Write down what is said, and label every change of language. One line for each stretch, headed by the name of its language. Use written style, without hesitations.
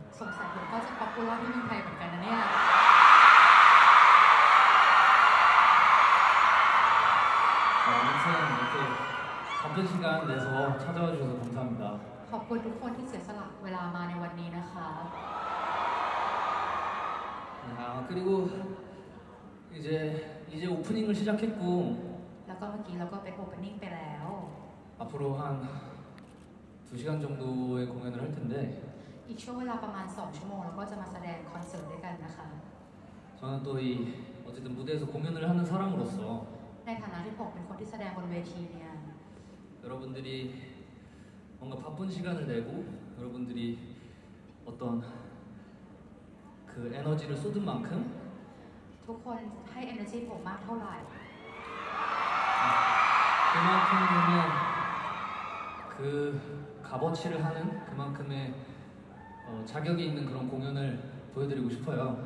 Thai: สงสัยผมก็จะป๊อปปูล่าที่เมืองไทยเหมือนกันนะเนี่ย
Korean: อ๋อ아무튼이렇게갑자기시간내서찾아와주셔서감사합니다
Thai: ขอบคุณทุกคนที่เสียสละเวลามาในวันนี้นะคะ
Korean: 아그리고이제이제오프닝을시작했고
Thai: แล้วก็เมื่อกี้เราก็เป็นโอเพนนิ่งไปแล้ว
Korean: 앞으로한두시간정도의공연을할텐데
Thai: อีกช่วงเวลาประมาณ2ชั่วโมงเราก็จะมาแสดงคอนเสิร์ตด้วยกันนะคะ
Korean: 저는또이어쨌든무대에서공연을하는사람으로서
Thai: ในฐานะที่ผมเป็นคนที่แสดงบนเวทีเนี่ย
Korean: 여러분들이뭔가바쁜시간을내고여러분들이어떤그에너지를쏟은만큼
Thai: ทุกคนให้เอเนอร์จีผมมากเท่าไ
Korean: หร่그만큼이면그값어치를하는그만큼의자격이있는그런공연을보여드리고싶어요